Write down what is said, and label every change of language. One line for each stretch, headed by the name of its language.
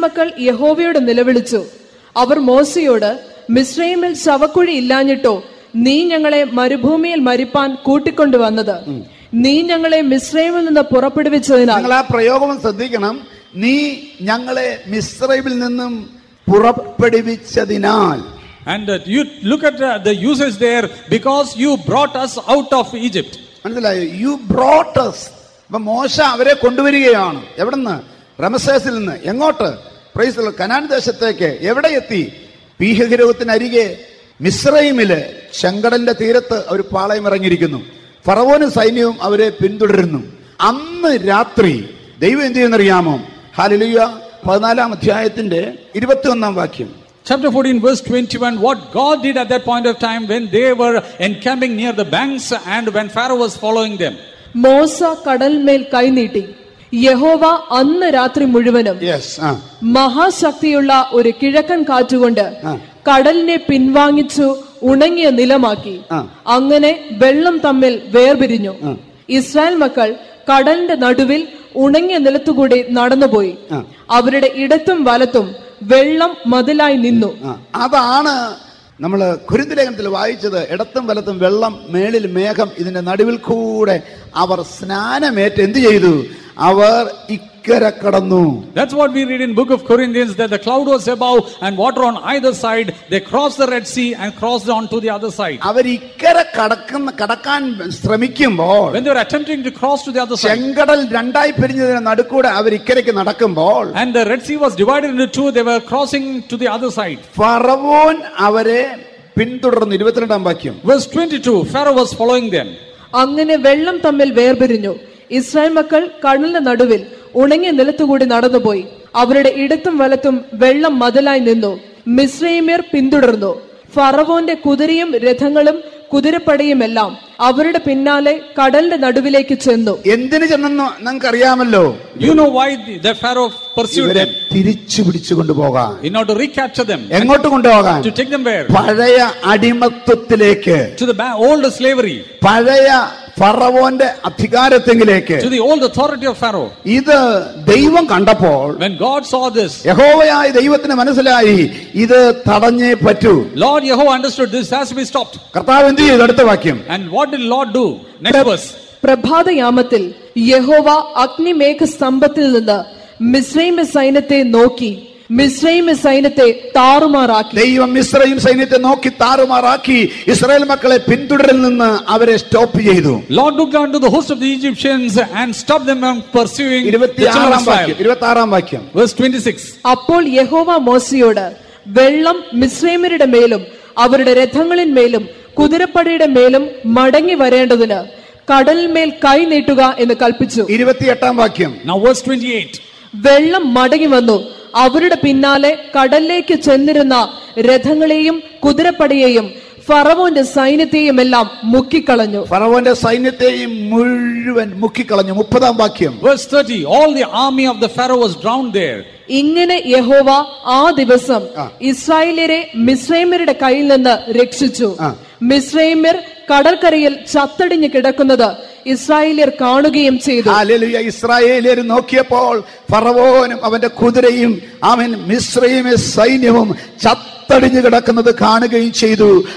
Malayalam: മക്കൾ യഹോവയോട് നിലവിളിച്ചു. അവർ മോശയോട് മിസ്രയീമിൽ ശവക്കുഴി ഇല്ലാഞ്ഞിട്ടോ നീ ഞങ്ങളെ മരുഭൂമിയിൽ മരിപ്പാൻ കൂട്ടിക്കൊണ്ടു വന്നത്. നീ ഞങ്ങളെ മിസ്രയീമിൽ നിന്ന് പുറപ്പെടുവിച്ചതിനാൽ. നിങ്ങൾ ആ പ്രയോഗം ശ്രദ്ധിക്കണം. നീ ഞങ്ങളെ മിസ്രയീമിൽ നിന്നും പുറപ്പെടുവിച്ചതിനാൽ.
English: And you look at the usage there, because you brought us out of Egypt. You brought us.
Malayalam: മോശ അവരെ കൊണ്ടുവരികയാണ്. എവിടുന്ന്? റമസേസിൽ നിന്ന്. എങ്ങോട്ട്? കനാൻ ദേശത്തേക്ക്. എവിടെ എത്തി? പീഹഗിരോഹത്തിനരികെ മിസ്രയീമില് ചെങ്കടലിന്റെ തീരത്ത് അവർ പാളയം ഇറങ്ങിയിരിക്കുന്നു. ഫറവോനും സൈന്യവും അവരെ പിന്തുടരുന്നു. അന്ന് രാത്രി ദൈവം എന്ത് ചെയ്യുന്നറിയാമോ? ഹല്ലേലൂയ. 14 അധ്യായത്തിന്റെ 21 വാക്യം.
English: Chapter 14 verse 21. What God did at that point of time when they were encamping near the banks and when Pharaoh was following them.
Malayalam: മോശ കടൽമേൽ കൈനീട്ടി യഹോവ അന്ന് രാത്രി മുഴുവനും മഹാശക്തിയുള്ള ഒരു കിഴക്കൻ കാറ്റുകൊണ്ട് കടലിനെ പിൻവാങ്ങിച്ചു ഉണങ്ങിയ നിലമാക്കി. അങ്ങനെ വെള്ളം തമ്മിൽ വേർപിരിഞ്ഞു. ഇസ്രായേൽ മക്കൾ കടലിന്റെ നടുവിൽ ഉണങ്ങിയ നിലത്തുകൂടി നടന്നുപോയി. അവരുടെ ഇടത്തും വലത്തും വെള്ളം മതിലായി നിന്നു. അതാണ് നമ്മള് കുരുന്തലേഖനത്തിൽ വായിച്ചത്. ഇടത്തും വലത്തും വെള്ളം, മേളിൽ മേഘം, ഇതിന്റെ നടുവിൽ കൂടെ അവർ സ്നാനമേറ്റ് എന്ത് ചെയ്തു? അവർ ഇക്കരെ കടന്നു.
English: That's what we read in Book of Corinthians, that the cloud was above and water on either side. They crossed the Red Sea and crossed on to the other side.
Malayalam: അവർ ഇക്കരെ കടക്കാൻ ശ്രമിക്കുമ്പോൾ,
English: when they were attempting to cross to the other side,
Malayalam: ചെങ്കടൽ രണ്ടായി പിരിഞ്ഞതിന് നടുക്കൂടെ അവർ ഇക്കരയ്ക്ക് നടക്കുമ്പോൾ,
English: and the Red Sea was divided into two, they were crossing to the other side.
Malayalam: ഫറവോൻ അവരെ പിന്തുടർന്നു. 22 വാക്യം.
English: Verse 22, Pharaoh was following them.
Malayalam: അങ്ങനെ വെള്ളം തമ്മിൽ വേർപിരിഞ്ഞു. ഇസ്രായേൽ മക്കൾ കടലിന്റെ നടുവിൽ ഉണങ്ങിയ നിലത്തുകൂടി നടന്നുപോയി. അവരുടെ ഇടത്തും വലത്തും വെള്ളം മതിലായി നിന്നു. മിസ്രയീമ്യർ പിന്തുടർന്നു. ഫറവോന്റെ കുതിരയും രഥങ്ങളും കുതിരപ്പടയും എല്ലാം അവരുടെ പിന്നാലെ കടലിന്റെ നടുവിലേക്ക് ചെന്നു. എന്തിനു ചെന്നെന്ന് നിങ്ങൾക്ക് അറിയാമല്ലോ.
English: You know why the Pharaoh pursued them?
Malayalam: തിരിച്ചു പിടിച്ചു കൊണ്ടുപോകാൻ.
English: In order to recapture them.
Malayalam: എങ്ങോട്ട് കൊണ്ടുപോകാൻ?
English: To take them where?
Malayalam: പഴയ അടിമത്വത്തിലേക്ക്.
English: To the old slavery.
Malayalam: പഴയ ഫറവോന്റെ അധികാരത്തിലേക്ക്.
English: To the old authority of Pharaoh.
Malayalam: ഇത് ദൈവം കണ്ടപ്പോൾ,
English: when God saw this,
Malayalam: യഹോവയായ ദൈവത്തിന് മനസ്സിലായി ഇത് തടഞ്ഞേ പറ്റൂ.
English: Lord Jehovah understood this has to be stopped.
Malayalam: കർത്താവ് എന്ത് ചെയ്തു? അടുത്ത വാക്യം.
English: And what did Lord do? Next verse.
Malayalam: പ്രഭാതയാമത്തിൽ യഹോവ അഗ്നിമേഘസ്തംഭത്തിൽ നിന്ന് മിസ്രയീമ്യ സൈന്യത്തെ നോക്കി. മിസ്രയീമ്യ സൈന്യത്തെ താറുമാറാക്കി. ദൈവം മിസ്രയീം സൈന്യത്തെ നോക്കി താറുമാറാക്കി. ഇസ്രായേൽ മക്കളെ പിന്തുടരിൽ നിന്ന് അവരെ സ്റ്റോപ്പ് ചെയ്തു.
English: Lord looked down to the host of the Egyptians and stopped them from pursuing.
Malayalam: 26th വാക്യം.
English: Verse 26.
Malayalam: അപ്പോൾ യഹോവ മോശയോട്, വെള്ളം മിസ്രയീമ്യരുടെ മേലും അവരുടെ രഥങ്ങളിൻ മേലും കുതിരപ്പടയുടെ മേലും മടങ്ങി വരേണ്ടതിന് കടലിന്മേൽ കൈ നീട്ടുക എന്ന് കൽപ്പിച്ചു. 28th വാക്യം.
English: Now verse 28.
Malayalam: വെള്ളം മടങ്ങി വന്നു. അവരുടെ പിന്നാലെ കടലിലേക്ക് ചെന്നിരുന്ന രഥങ്ങളെയും കുതിരപ്പടയെയും ഫറവോന്റെ സൈന്യത്തെയും എല്ലാം മുക്കിക്കളഞ്ഞു. ഫറവോന്റെ സൈന്യത്തെയും മുഴുവൻ മുക്കിക്കളഞ്ഞു. 30th വാക്യം.
English: Verse 30. All the army of the Pharaoh was drowned there.
Malayalam: ഇങ്ങനെ യഹോവ ആ ദിവസം ഇസ്രായേലരെ മിസ്രയീമ്യരുടെ കയ്യിൽ നിന്ന് രക്ഷിച്ചു. മിസ്രയീമ്യർ കടൽക്കരയിൽ ചത്തടിഞ്ഞു കിടക്കുന്നത് ഇസ്രായേലിയർ കാണുകയും ചെയ്തു. ഹല്ലേലൂയ. ഇസ്രായേലിയർ നോക്കിയപ്പോൾ ഫറവോനും അവന്റെ കുതിരയും അവൻ മിസ്രയീമ്യ സൈന്യവും ചത്തടിഞ്ഞു കിടക്കുന്നത് കാണുകയും ചെയ്തു.